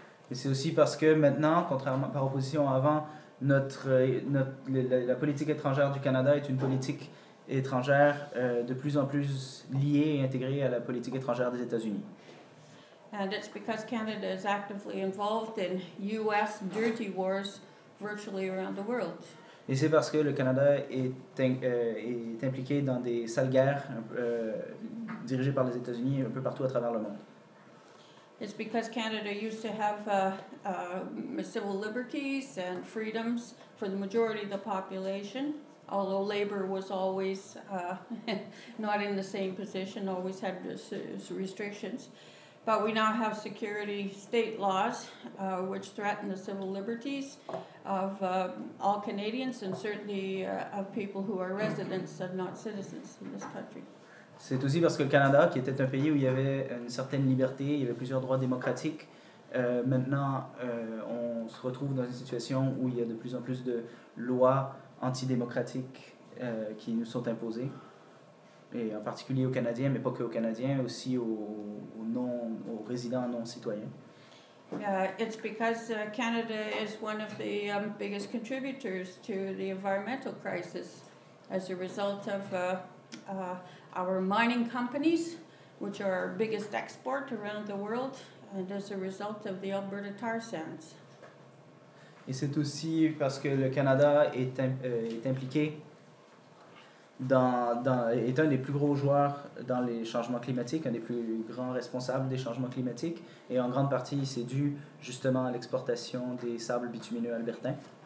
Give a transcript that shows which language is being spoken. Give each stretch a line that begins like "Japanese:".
French: Et c'est aussi parce que maintenant, contrairement par opposition à avant, la politique étrangère du Canada est une politique étrangère de plus en plus liée et intégrée à la politique étrangère des États-Unis.
English: And it's because Canada is actively involved in U.S. dirty wars virtually around the world.
French: Et c'est parce que le Canada est impliqué dans des sales guerres dirigées par les États-Unis un peu partout à travers le monde.
English: It's because Canada used to have civil liberties and freedoms for the majority of the population, although labor was always not in the same position, always had restrictions. But we now have security state laws which threaten the civil liberties of all Canadians and certainly of people who are residents and not citizens in this country.
French: C'est aussi parce que le Canada, qui était un pays où il y avait une certaine liberté, il y avait plusieurs droits démocratiques, maintenant on se retrouve dans une situation où il y a de plus en plus de lois antidémocratiques qui nous sont imposées. Et en particulier aux Canadiens, mais pas que aux Canadiens, aussi aux résidents non citoyens.
English: It's because Canada is one of the biggest contributors to the environmental crisis as a result of our mining companies, which are our biggest export around the world, and as a result of the Alberta tar sands.
French: Et c'est aussi parce que le Canada est impliqué. Est un des plus gros joueurs dans les changements climatiques, un des plus grands responsables des changements climatiques, et en grande partie, c'est dû justement à l'exportation des sables bitumineux albertains.